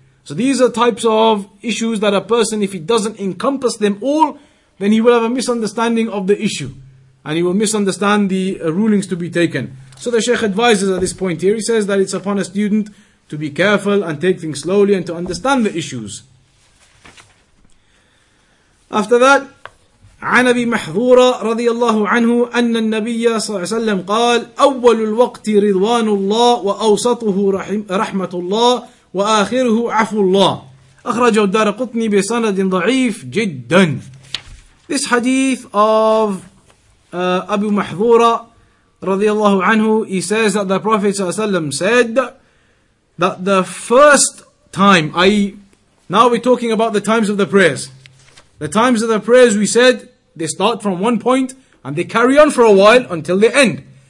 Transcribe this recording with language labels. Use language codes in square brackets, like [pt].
[en] So these are types of issues that a person, if he doesn't encompass them all, then he will have a misunderstanding of the issue, and he will misunderstand the rulings to be taken. So the Shaykh advises at this point here, he says that it's upon a student to be careful and take things slowly and to understand the issues. After that, [ar] عن أبي محذورة رضي الله عنه أن النبي صلى الله عليه وسلم قال أول الوقت رضوان الله وأوسطه رحمة الله وآخره عفو الله. أخرجه الدارقطني بسند ضعيف جدا. [en] This hadith of Abu Mahdhura radiyallahu anhu, he says that the Prophet ﷺ said that the first time, i.e. Now we're talking about the times of the prayers. The times of the prayers, we said, they start from one point and they carry on for a while until they end.